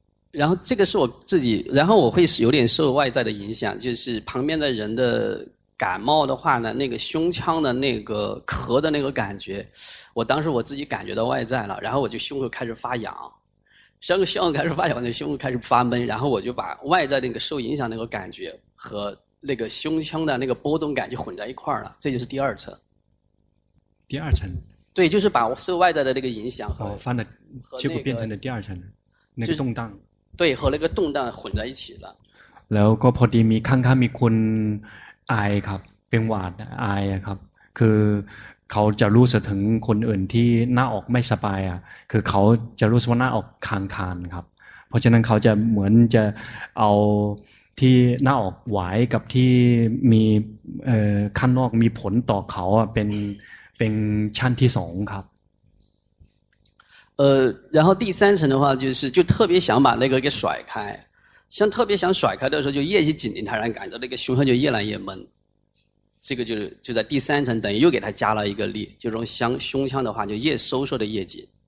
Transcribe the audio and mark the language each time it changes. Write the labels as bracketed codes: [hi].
[zh] 然后这个是我自己，然后我会有点受外在的影响，就是旁边的人的感冒的话呢，那个胸腔的那个咳的那个感觉，我当时我自己感觉到外在了，然后我就胸口开始发痒，胸口开始发痒，那胸口开始发闷，然后我就把外在那个受影响那个感觉和那个胸腔的那个波动感就混在一块了，这就是第二层。第二层，对，就是把受外在的那个影响和翻的、结果变成了第二层，那个动荡，对，和那个动荡混在一起了。 [th] แล้วก็พอดีมีข้างๆมีคนไอครับเป็นหวัดไอครับคือเขาจะรู้สึกถึงคนอื่นที่หน้าออกไม่สบายอ่ะคือเขาจะรู้สึกว่าหน้าออกคานๆครับเพราะฉะนั้นเขาจะเหมือนจะเอาที่หน้าออกไหวกับที่มีข้างนอกมีผลต่อเขาเป็นชั้นที่สองครับ [zh] 然后第三层的话就特别想把那个给甩开，像特别想甩开的时候就越去紧盯它，然后感觉那个胸腔就越来越闷，这个就在第三层等于又给它加了一个力，就是说胸腔的话就越收缩的越紧。